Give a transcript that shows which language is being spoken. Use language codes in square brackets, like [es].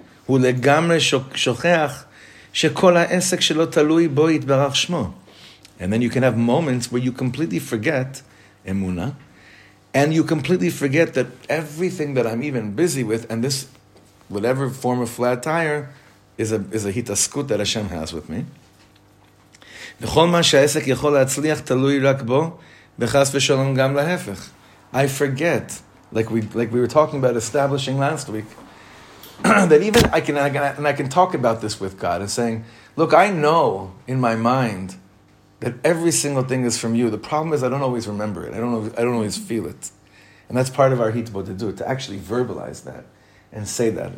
[he] הוא לגמרי שוכח שכל העסק שלו תלוי בו יתברך שמו. [en] And then you can have moments where you completely forget Emuna, and you completely forget that everything that I'm even busy with, and this, whatever form of flat tire, is a התעסקות that Hashem has with me. [he] וכל מה שהעסק יכול להצליח תלוי רק בו, וחס ושלום גם להפך. [en] I forget, like we were talking about establishing last week, that even I can talk about this with God and saying, look, I know in my mind that every single thing is from you. The problem is I don't always remember it. I don't always feel it. And that's part of our hitbo to do it, to actually verbalize that and say that.